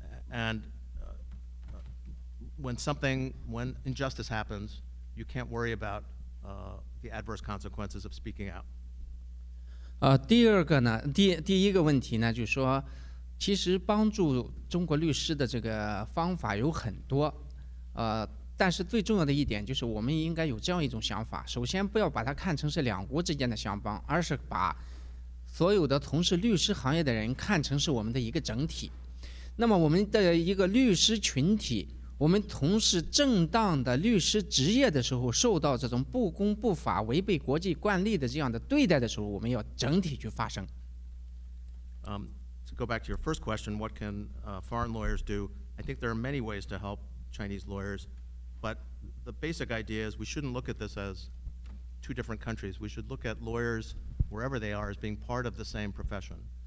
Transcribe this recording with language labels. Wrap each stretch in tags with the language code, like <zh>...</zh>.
<en>When injustice happens, you can't worry about the adverse consequences of speaking out.</en> <zh>第二个呢，第一个问题呢，就是说，其实帮助中国律师的这个方法有很多，但是最重要的一点就是我们应该有这样一种想法：首先不要把它看成是两国之间的相帮，而是把所有的同事律师行业的人看成是我们的一个整体。那么我们的一个律师群体，我们从事正当的律师职业的时候，受到这种不公不法、违背国际惯例的这样的对待的时候，我们要整体去发声。</zh> <en>To go back to your first question, what can foreign lawyers do? I think there are many ways to help Chinese lawyers, but the basic idea is we shouldn't look at this as two different countries. We should look at lawyers wherever they are as being part of the same profession.</en>